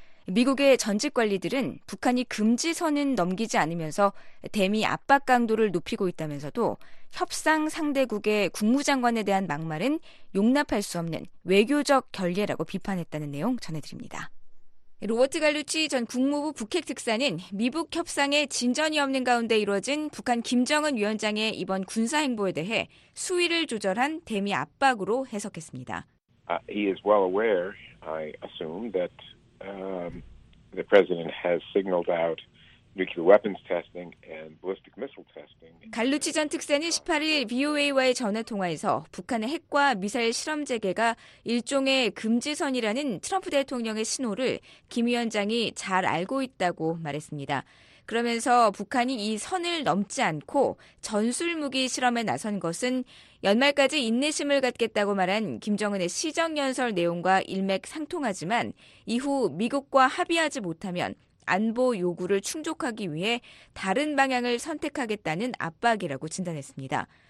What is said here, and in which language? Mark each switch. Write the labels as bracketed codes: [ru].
[ko] 미국의 전직 관리들은 북한이 금지선은 넘기지 않으면서 대미 압박 강도를 높이고 있다면서도 협상 상대국의 국무장관에 대한 막말은 용납할 수 없는 외교적 결례라고 비판했다는 내용 전해드립니다. 로버트 갈루치 전 국무부 북핵 특사는 미북 협상에 진전이 없는 가운데 이뤄진 북한 김정은 위원장의 이번 군사 행보에 대해 수위를 조절한 대미 압박으로 해석했습니다. [en] He is well aware, I assume, that the president has signaled out nuclear weapons testing and ballistic missile testing. [ko] 갈루치 전 특사는 18일 VOA와의 전화 통화에서 북한의 핵과 미사일 실험 재개가 일종의 금지선이라는 트럼프 대통령의 신호를 김 위원장이 잘 알고 있다고 말했습니다. 그러면서 북한이 이 선을 넘지 않고 전술무기 실험에 나선 것은 연말까지 인내심을 갖겠다고 말한 김정은의 시정연설 내용과 일맥상통하지만 이후 미국과 합의하지 못하면 안보 요구를 충족하기 위해 다른 방향을 선택하겠다는 압박이라고 진단했습니다.